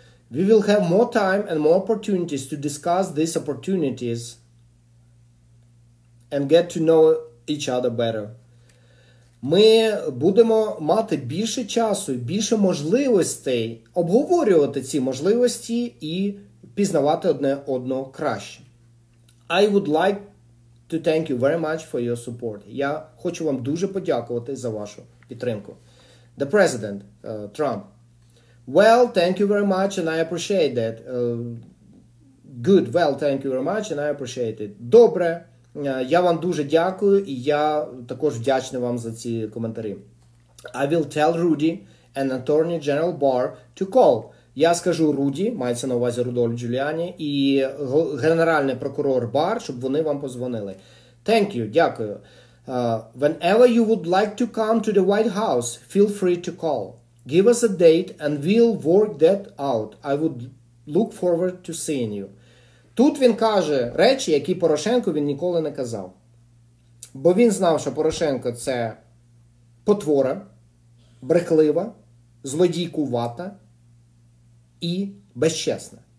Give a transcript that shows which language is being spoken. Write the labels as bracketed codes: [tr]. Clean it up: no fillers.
[en] We will have more time and more opportunities to discuss these opportunities and get to know each other better. [uk] Ми будемо мати більше часу і більше можливостей обговорювати ці можливості і пізнавати одне одного краще. [en] I would like to thank you very much for your support. [uk] Я хочу вам дуже подякувати за вашу підтримку. [en] The President, Trump. Well, thank you very much and I appreciate that. Good, well, thank you very much and I appreciate it. [uk] Добре, я вам дуже дякую і я також вдячний вам за ці коментарі. [en] I will tell Rudy and Attorney General Barr to call. [uk] Я скажу Руді, мається на увазі Рудольф Джуліані, і Генеральний прокурор Барр, щоб вони вам позвонили. [en] Thank you, [uk] дякую. [en] Whenever you would like to come to the White House, feel free to call. Give us a date and we'll work that out. I would look forward to seeing you. [uk] Тут він каже речі, які Порошенко він ніколи не казав. Бо він знав, що Порошенко це потвора, брехлива, злодійкувата і безчесна.